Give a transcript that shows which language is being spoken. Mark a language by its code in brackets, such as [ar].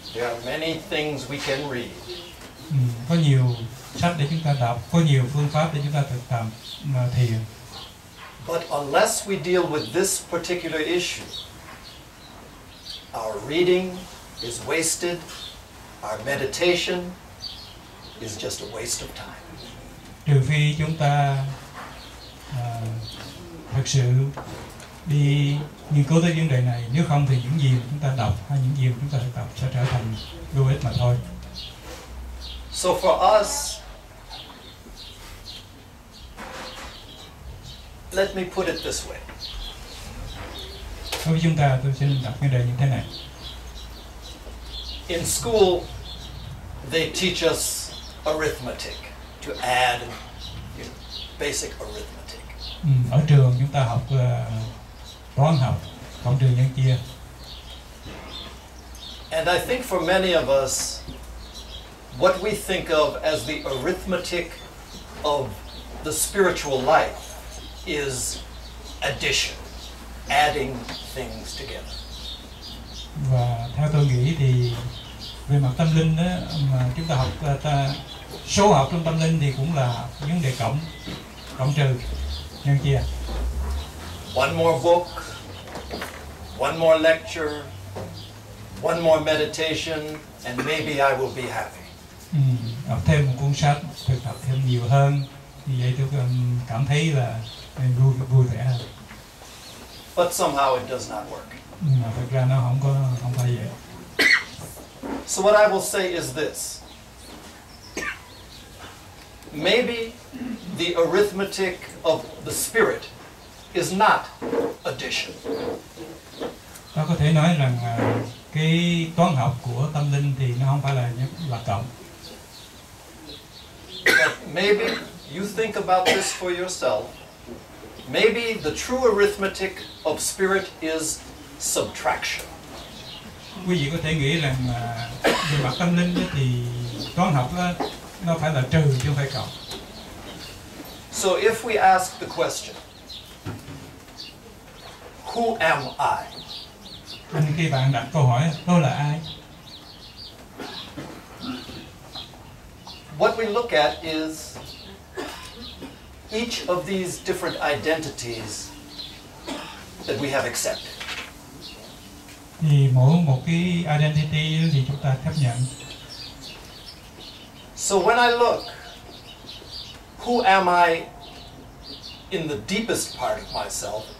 [en] There are many things we can read. [vi] Có nhiều sách để chúng ta đọc, có nhiều phương pháp để chúng ta thực tập mà thiền. [en] But unless we deal with this particular issue, our reading is wasted, our meditation is just a waste of time. [vi] Trừ phi chúng ta thực sự đi nghiên cứu tới vấn đề này, nếu không thì những gì chúng ta đọc hay những gì chúng ta thực tập sẽ trở thành vô ích mà thôi. [en] So for us, let me put it this way. [vi] Đối với chúng ta, tôi xin đặt vấn đề như thế này. [en] In school, they teach us arithmetic, to add, you know, basic arithmetic. [vi] Ở trường chúng ta học toán học, cộng trừ nhân chia. [en] And I think for many of us, what we think of as the arithmetic of the spiritual life is addition, adding things together. [vi] Và theo tôi nghĩ thì về mặt tâm linh đó, mà chúng ta học ta số học trong tâm linh thì cũng là vấn đề cộng trừ nhân chia. [en] One more book, one more lecture, one more meditation, and maybe I will be happy. [vi] Đọc thêm một cuốn sách, thực tập thêm nhiều hơn, như vậy tôi cảm thấy là vui vẻ hơn. [en] But somehow it does not work. [vi] Mà thực ra nó không phải vậy. [en] So what I will say is this. Maybe the arithmetic of the spirit is not addition. [vi] Ta có thể nói rằng cái toán học của tâm linh thì nó không phải là cộng. [en] Maybe you think about this for yourself. Maybe the true arithmetic of spirit is subtraction. [vi] Quý vị có thể nghĩ rằng về mặt tâm linh thì toán học nó phải là trừ chứ không phải cộng. [en] So if we ask the question, who am I? [vi] Anh khi bạn đặt câu hỏi, tôi là ai? [en] What we look at is each of these different identities that we have accepted. [vi] Thì mỗi một cái identity thì chúng ta chấp nhận. [en] So when I look, who am I in the deepest part of myself?